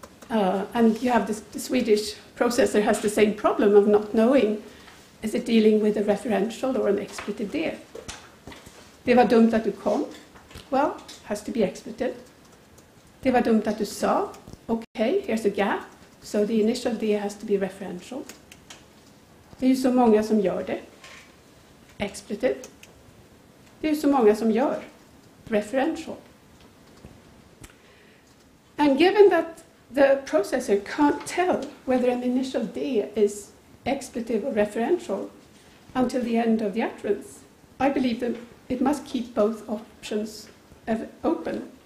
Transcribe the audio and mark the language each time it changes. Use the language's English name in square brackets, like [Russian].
[English] And you have the Swedish processor has the same problem of not knowing, is it dealing with a referential or an expletive there? [Swedish] Det var dumt att du kom. [English] Well, has to be expletive. [Swedish] Det var dumt att du sa. [English] Okay, here's a gap. So the initial D has to be referential. [Swedish] Det är ju så många som gör det. Expletive. Det är ju så många som gör. [English] Referential. And given that the processor can't tell whether an initial D is expletive or referential until the end of the utterance, I believe that it must keep both options open.